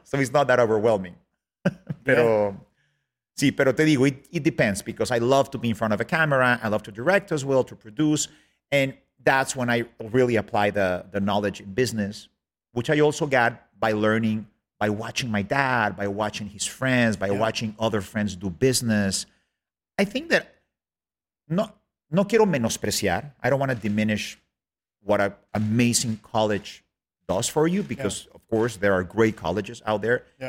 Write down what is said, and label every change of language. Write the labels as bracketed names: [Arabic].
[English] So it's not that overwhelming. [Spanish] Pero... [English] Yeah. [Spanish] Sí, pero te digo, [English] it depends, because I love to be in front of a camera. I love to direct as well, to produce. And that's when I really apply the knowledge in business, which I also got by learning, by watching my dad, by watching his friends, by watching other friends do business. I think that [Spanish] no quiero menospreciar. [English] I don't want to diminish what an amazing college does for you, because of course there are great colleges out there.